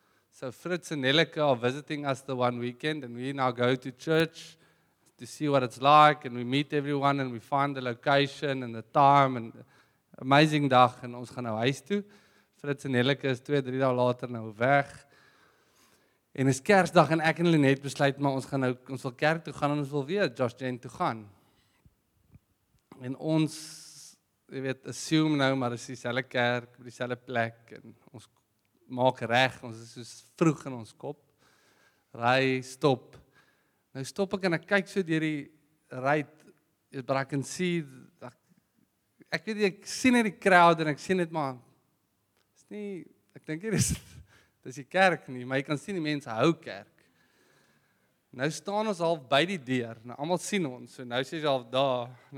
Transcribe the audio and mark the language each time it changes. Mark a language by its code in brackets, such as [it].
[en] So Fritz and Nelleke are visiting us the one weekend, and we now go to church to see what it's like, and we meet everyone, and we find the location and the time, and amazing dag, [af] en ons gaan nou huis toe. Fritz en Nelleke is 2-3 dae later nou weg. En is Kersdag, en ek en Lynette besluit, maar ons gaan nou, ons wil kerk toe gaan, en ons wil weer George Jen toe gaan. En ons, jy weet, assume nou, maar is dieselfde kerk, op dieselfde plek, en ons maak reg, ons is soos vroeg in ons kop, ry, stop, nou stop ek, en ek kyk so deur die ruit, [en] but I can see, [af] ek weet, ek sien net die crowd, en ek sien net maar, is nie, ek dink hier is, dis die kerk nie, maar jy kan sien die mense hou kerk, nou staan ons al by die deur, nou allemaal sien ons, so nou sê jy al daar,